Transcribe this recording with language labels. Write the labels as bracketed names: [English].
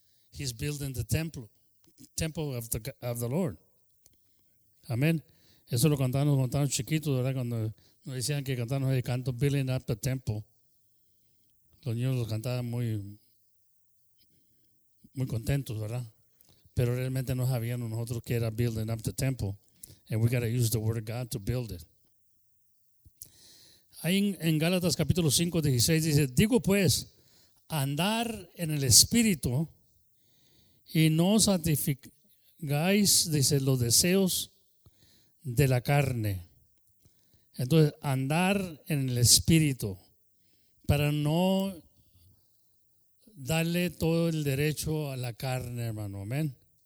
[English] He's building the temple of the Lord. Amén. [Spanish] Eso lo cantábamos cuando estábamos chiquitos, ¿verdad? Cuando nos decían que cantábamos el canto Building Up the Temple. Los niños lo cantaban muy, muy contentos, ¿verdad? Pero realmente no sabíamos nosotros que era Building Up the Temple. [English] And we got to use the Word of God to build it. [Spanish] Ahí en Gálatas capítulo 5, 16 dice, digo pues, andar en el Espíritu y no santificáis, dice, los deseos de la carne. Entonces, andar en el Espíritu para no darle todo el derecho a la carne, hermano. Amén.